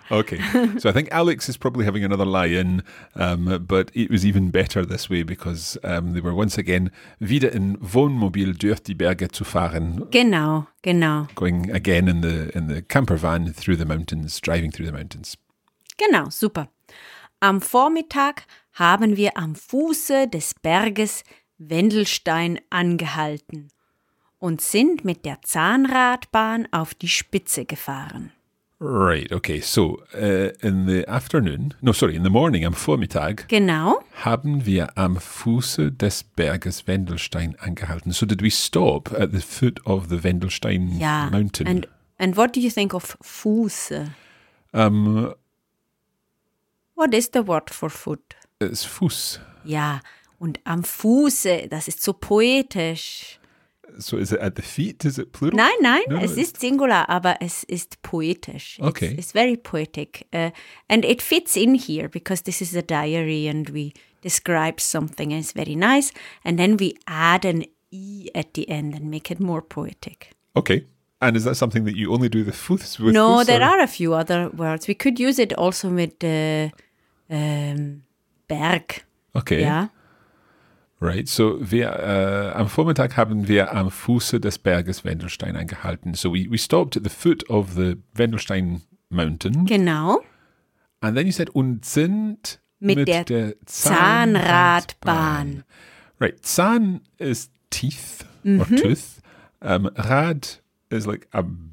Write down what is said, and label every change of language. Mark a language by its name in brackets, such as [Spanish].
[English] Okay, so I think Alex is probably having another lie-in, but it was even better this way because they were once again [German] wieder in Wohnmobil durch die Berge zu fahren. Genau, genau. [English] Going again in the camper van through the mountains, driving through the mountains. [German] Genau, super. Am Vormittag haben wir am Fuße des Berges Wendelstein angehalten und sind mit der Zahnradbahn auf die Spitze gefahren. [English] Right, okay. So, in the morning, [German] am Vormittag. Genau. Haben wir am Fuße des Berges Wendelstein angehalten. [English] So, did we stop at the foot of the Wendelstein [German] ja. [English] mountain? Yeah, and what do you think of Fuße? What is the word for foot? It's Fuß. [German] Ja, und am Fuße, das ist so poetisch. [English] So is it at the feet? Is it plural? [German] Nein, nein, no, es ist Singular, aber es ist poetisch. [English] Okay. It's very poetic. And it fits in here because this is a diary and we describe something and it's very nice. And then we add an E at the end and make it more poetic. Okay. And is that something that you only do the Fuß with? No, there are a few other words. We could use it also with the Berg. Okay. Yeah. Right. [German] So wir am Vormittag haben wir am Fuße des Berges Wendelstein angehalten. [English] So we stopped at the foot of the Wendelstein mountain. [German] Genau. [English] And then you said [German] und sind mit der Zahnradbahn. [English] Right. Zahn is teeth mm-hmm. or tooth. Rad is like a